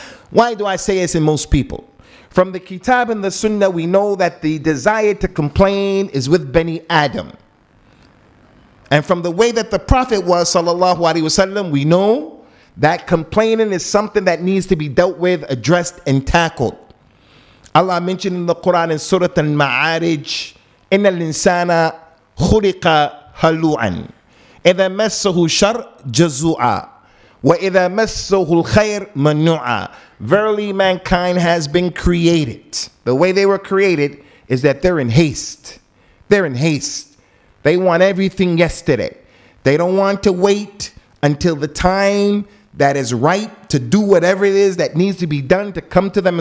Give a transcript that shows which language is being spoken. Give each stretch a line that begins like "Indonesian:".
English: Why do I say it's in most people? From the Kitab and the Sunnah, we know that the desire to complain is with Bani Adam. And from the way that the Prophet was, sallallahu alaihi wasallam, we know that complaining is something that needs to be dealt with, addressed, and tackled. Allah mentioned in the Quran in Surah Al-Ma'arij,
Arabic: إِنَّ الْإِنسَانَ خُلِقَ هَلُوعًا إِذَا مَسَّهُ شَرْ جَزُوعًا وَإِذَا مَسَّهُ الْخَيْرِ مَنُوعًا.
English: Verily, mankind has been created. The way they were created is that they're in haste. They're in haste. They want everything yesterday. They don't want to wait until the time that is right to do whatever it is that needs to be done to come to them.